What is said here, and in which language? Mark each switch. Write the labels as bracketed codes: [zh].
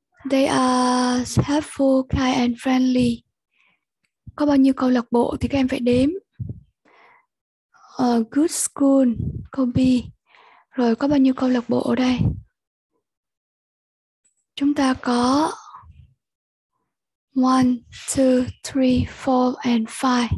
[en] They are helpful, kind and friendly. [vi] Có bao nhiêu câu lạc bộ thì các em phải đếm. [en] Good school, [vi] câu B. Rồi có bao nhiêu câu lạc bộ ở đây? Chúng ta có [en] One, two, three, four, and five.